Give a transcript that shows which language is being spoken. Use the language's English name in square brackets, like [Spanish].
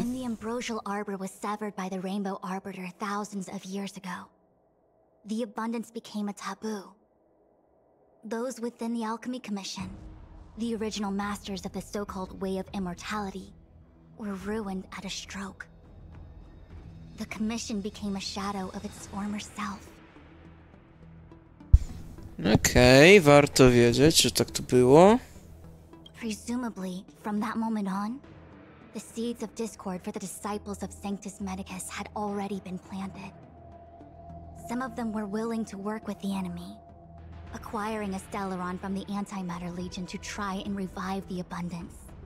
[English] When the Ambrosial Arbor was severed by the Rainbow Arbiter thousands of years ago, the abundance became a taboo. Those within the Alchemy Commission The original masters of the so-called Way of Immortality were ruined at a stroke. The commission became a shadow of its former self. [Polish] Okej, warto wiedzieć, że tak to było. [English] Presumably, from that moment on, the seeds of discord for the disciples of Sanctus Medicus had already been planted. Some of them were willing to work with the enemy, acquiring a Stellaron from the Antimatter Legion to try and revive the abundance.